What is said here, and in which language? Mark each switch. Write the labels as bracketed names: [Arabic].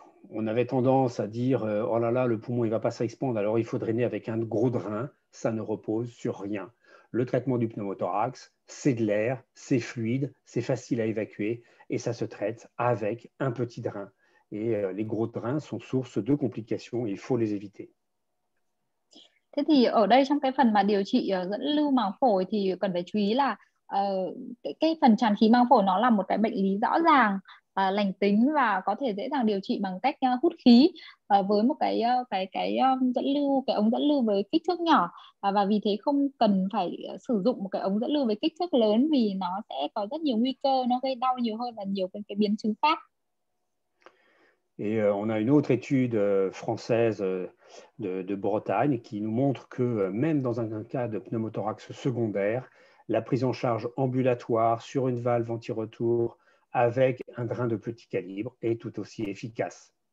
[French] On avait tendance à dire « Oh là là, le poumon, il va pas s'expandre, alors il faut drainer avec un gros drain. » Ça ne repose sur rien. Le traitement du pneumothorax, c'est de l'air, c'est fluide, c'est facile à évacuer et ça se traite avec un petit drain. Et les gros drains sont source de complications et il faut les éviter. [Vietnamese] Thế thì ở đây trong cái phần mà điều trị dẫn lưu màng phổi thì cần phải chú ý là cái phần tràn khí màng phổi nó là một cái bệnh lý rõ ràng, lành tính và có thể dễ dàng điều trị bằng cách hút khí với một cái ống dẫn lưu với kích thước nhỏ và vì thế không cần phải sử dụng một cái ống dẫn lưu với kích thước lớn vì nó sẽ có rất nhiều nguy cơ, nó gây đau nhiều hơn và nhiều cái biến chứng khác. [French] Et on a une autre étude française de Bretagne qui nous montre que même dans un cas de pneumothorax secondaire, la prise en charge ambulatoire sur une valve anti-retour avec un drain de petit calibre est tout aussi efficace.